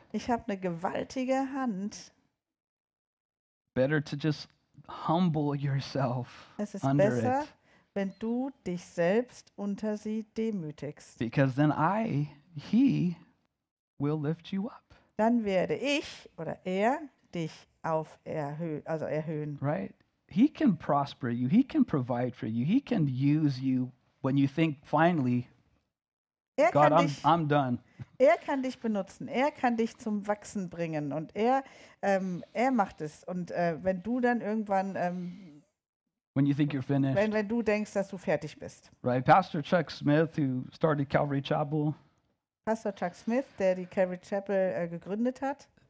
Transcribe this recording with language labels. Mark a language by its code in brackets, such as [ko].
[de] Ich habe eine gewaltige Hand. [en] Better to just humble yourself. [de] Es ist [en] under [de] besser, [en] it. [de] Wenn du dich selbst unter sie demütigst. [en] Because then he will lift you up. [de] Dann werde ich oder er dich erhöhen. [en] Right? He can prosper you. He can provide for you. He can use you when you think finally. God, I'm done. [de] Er kann dich benutzen. Er kann dich zum Wachsen bringen. Und er macht es. Und wenn du dann irgendwann, [en] when you think you're finished. [de] Wenn du denkst, dass du fertig bist. [en] Right, Pastor Chuck Smith, who started Calvary Chapel. [de] Pastor Chuck Smith, der die Calvary Chapel gegründet hat.